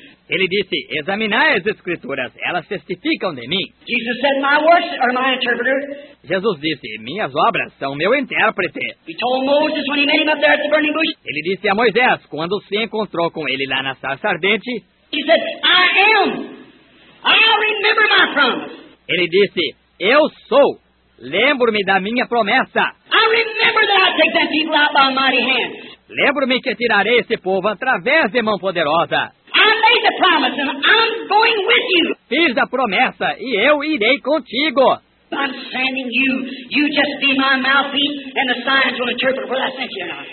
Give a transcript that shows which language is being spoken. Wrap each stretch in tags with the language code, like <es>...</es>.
<pt>Ele disse, examinai as Escrituras, elas testificam de mim.</pt> <en>Jesus said, my works are my interpreter.</en> <pt>Jesus disse, minhas obras são meu intérprete.</pt> <en>He told Moses when he met him up there at the burning bush.</en> <pt>Ele disse a Moisés, quando se encontrou com ele lá na sarça ardente.</pt> <en>He said, I am. I'll remember my promise.</en> <pt>Ele disse, eu sou. Lembro-me da minha promessa.</pt> <en>I remember that I'll take that people out by mighty hand.</en> <pt>Lembro-me que tirarei esse povo através de mão poderosa.</pt> <en>I made the promise and I'm going with you.</en> <pt>Fiz a promessa e eu irei contigo.</pt> <en>I'm sending you. You just be my mouthpiece and the signs will interpret what I sent you.</en>